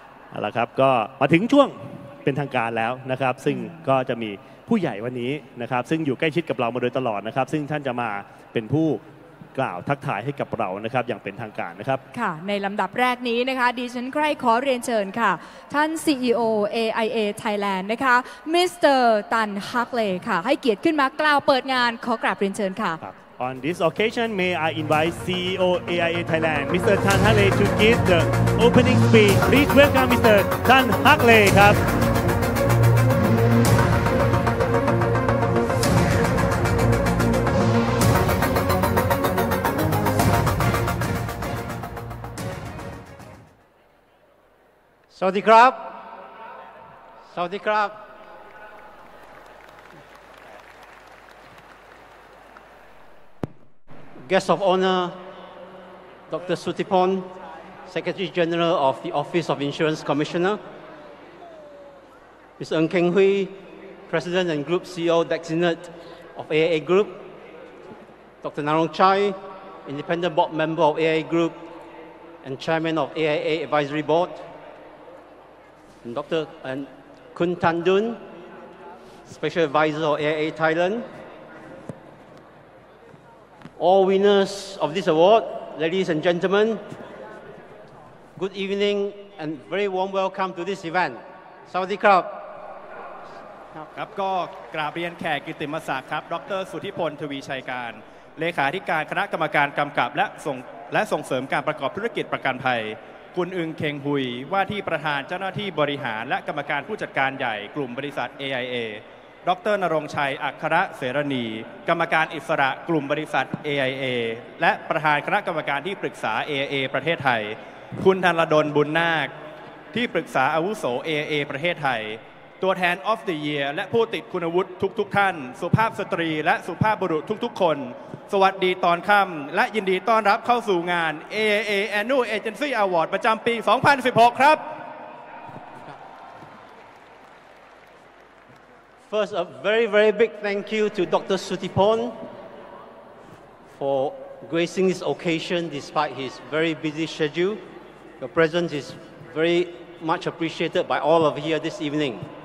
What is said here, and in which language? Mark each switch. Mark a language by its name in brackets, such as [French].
[Thai] เอาล่ะครับก็มาถึงช่วงเป็นทางการแล้วนะครับซึ่งก็จะมีผู้ใหญ่วันนี้นะครับซึ่งอยู่ใกล้ชิดกับเรามาโดยตลอดนะครับซึ่งท่านจะมาเป็นผู้กล่าวทักทายให้กับเรานะครับอย่างเป็นทางการนะครับ ค่ะในลำดับแรกนี้นะคะดิฉันใคร่ขอเรียนเชิญค่ะท่าน CEO AIA Thailand นะคะมิสเตอร์ตันฮักเลย์ค่ะให้เกียรติขึ้นมากล่าวเปิดงานขอกราบเรียนเชิญค่ะ [English] On this occasion may I invite CEO AIA Thailand Mr. Tan Hak Leh to give the opening speech please welcome Mr. Tan Hak Leh ครับ [Thai] สวัสดีครับสวัสดีครับ [English] Guest of Honor [Thai] Dr. [English] Suthipon Secretary General of the Office of Insurance Commissioner Ms. Ng Keng Hui President and Group CEO Designate of AIA Group Dr. Narong Chai Independent Board Member of AIA Group and Chairman of AIA Advisory BoardAnd Dr. and Khun Tan Dun, Special Advisor of AIA Thailand. All winners of this award, ladies and gentlemen, good evening and very warm welcome to this event. [Thai] สวัสดีครับ ครับก็กราบเรียนแขกกิติมศักดิ์ครับดร.สุทธิพล ทวีชัยการเลขาธิการคณะกรรมการกำกับและส่งเสริมการประกอบธุรกิจประกันภัยคุณอึงเคงหุยว่าที่ประธานเจ้าหน้าที่บริหารและกรรมการผู้จัดการใหญ่กลุ่มบริษัท AIA ดร. ณรงค์ชัยอัครเสรณีกรรมการอิสระกลุ่มบริษัท AIA และประธานคณะกรรมการที่ปรึกษา AIA ประเทศไทยคุณธนรดลบุญนาคที่ปรึกษาอาวุโส AIA ประเทศไทยตัวแทน of the year และผู้ติดคุณวุฒิทุกท่านสุภาพสตรีและสุภาพบุรุษทุกๆคนสวัสดีตอนค่ำและยินดีต้อนรับเข้าสู่งาน AIA Annual Agency Award ประจำปี2016ครับ [English] First a very very big thank you to Dr. Suthipon for gracing this occasion despite his very busy schedule. Your presence is very much appreciated by all of here this evening.